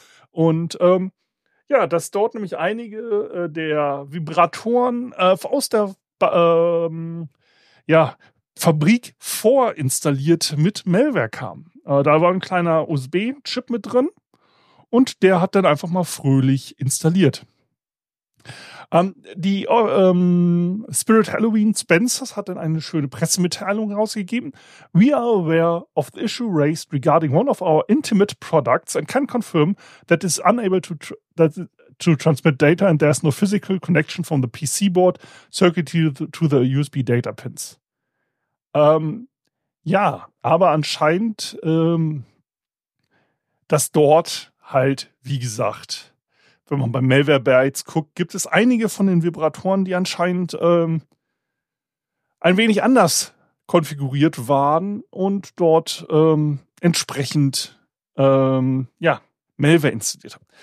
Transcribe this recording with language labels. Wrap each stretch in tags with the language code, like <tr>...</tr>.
<de>Und ja, dass dort nämlich einige der Vibratoren aus der Fabrik vorinstalliert mit Malware kamen. Da war ein kleiner USB-Chip mit drin und der hat dann einfach mal fröhlich installiert. Spirit Halloween Spencers hat dann eine schöne Pressemitteilung rausgegeben.</de> <en>We are aware of the issue raised regarding one of our intimate products and can confirm that is unable to to transmit data and there is no physical connection from the PC board circuited to the USB data pins.</en> <de>Ja, aber anscheinend, dass dort halt, wie gesagt, wenn man bei Malware Bytes guckt, gibt es einige von den Vibratoren, die anscheinend ein wenig anders konfiguriert waren und dort entsprechend Malware installiert haben.</de>